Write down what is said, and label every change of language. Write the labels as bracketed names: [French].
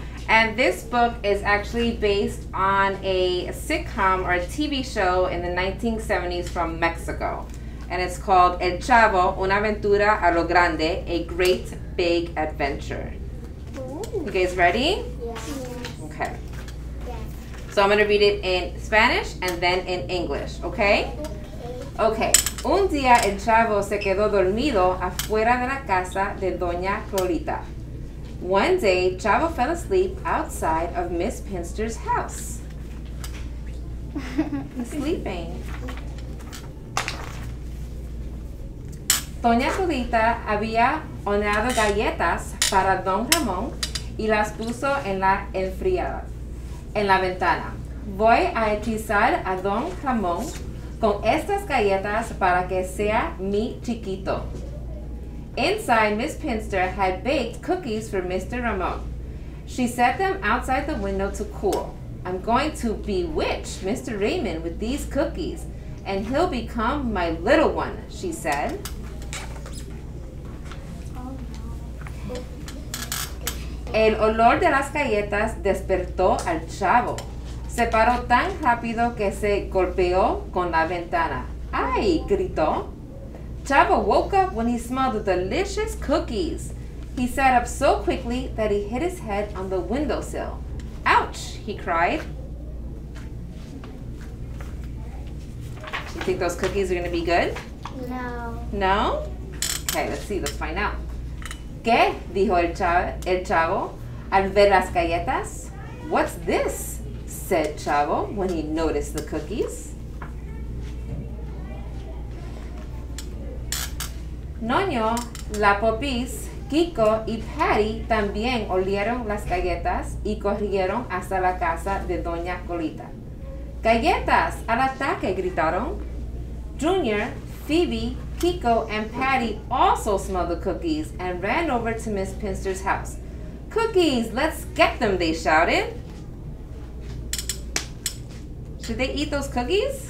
[English] And this book is actually based on a sitcom or a TV show in the 1970s from Mexico. And it's called El Chavo, Una Aventura a lo Grande, A Great Big Adventure. You guys ready? Yeah. Okay. So I'm going to read it in Spanish and then in English, okay? Okay. [Spanish] Un día el chavo se quedó dormido afuera de la casa de Doña Clorita. [English] One day, Chavo fell asleep outside of Miss Pinster's house. He's sleeping. [Spanish] Doña Clorita había horneado galletas para Don Ramón y las puso en la enfriada, en la ventana. Voy a hechizar a Don Ramón con estas galletas para que sea mi chiquito. [English] Inside, Miss Pinster had baked cookies for Mr. Ramón. She set them outside the window to cool. I'm going to bewitch Mr. Raymond with these cookies, and he'll become my little one, she said. [Spanish] El olor de las galletas despertó al chavo. Se paró tan rápido que se golpeó con la ventana. ¡Ay! Gritó. [English] Chavo woke up when he smelled the delicious cookies. He sat up so quickly that he hit his head on the windowsill. ¡Ouch! He cried. You think those cookies are going to be good? No. No? Okay, let's see. Let's find out. [Spanish] ¿Qué? Dijo el chavo al ver las galletas. [English] What's this? Said Chavo when he noticed the cookies. [Spanish] Noño, La Popis, Kiko y Patty también olieron las galletas y corrieron hasta la casa de Doña Colita. ¡Galletas! ¡Al ataque! Gritaron. [English] Junior, Phoebe, Kiko, and Patty also smelled the cookies and ran over to Miss Pinster's house. ¡Cookies! ¡Let's get them! They shouted. Should they eat those cookies?